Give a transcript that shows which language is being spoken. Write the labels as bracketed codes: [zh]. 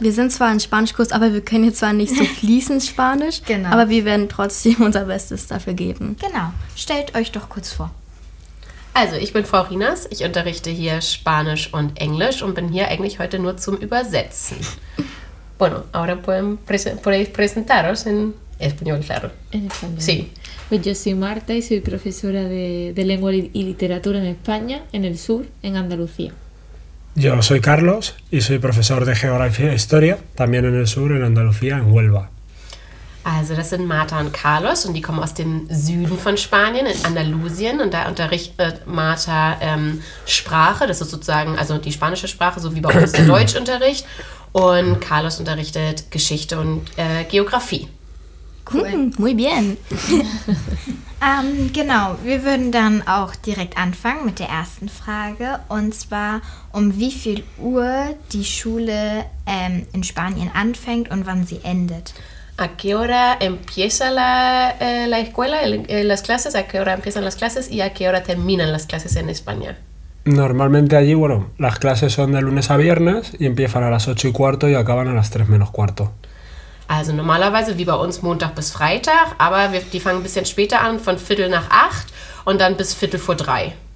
[de] Wir sind zwar im Spanischkurs, aber wir können jetzt zwar nicht so fließend Spanisch, genau. Aber wir werden trotzdem unser Bestes dafür geben. Genau. Stellt euch doch kurz vor. Also, ich bin Frau Rinas. Ich unterrichte hier Spanisch und Englisch und bin hier eigentlich heute nur zum Übersetzen. [es] Bueno, ahora podéis presentaros en español, claro. En español. Sí. Pues yo soy Marta y soy profesora de lengua y literatura en España, en el sur, en Andalucía. Yo soy Carlos y soy profesor de geografía e historia, también en el sur, en Andalucía, en Huelva. [de] Also das sind Marta und Carlos und die kommen aus dem Süden von Spanien, in Andalusien. Und da unterrichtet Marta Sprache, das ist sozusagen also die spanische Sprache, so wie bei uns der Deutschunterricht. Und Carlos unterrichtet Geschichte und Geografie. [es] Cool. Muy bien. [de] genau, wir würden dann auch direkt anfangen mit der ersten Frage. Und zwar, um wie viel Uhr die Schule in Spanien anfängt und wann sie endet. [es] ¿A qué hora empieza la escuela, las clases? ¿A qué hora empiezan las clases y a qué hora terminan las clases en España? Normalmente allí, bueno, las clases son de lunes a viernes y empiezan a las 8:15 y acaban a las 3:45. [de] Also normalerweise wie bei uns Montag bis Freitag, aber die fangen ein bisschen später an, von 7:45 und dann bis 3:15.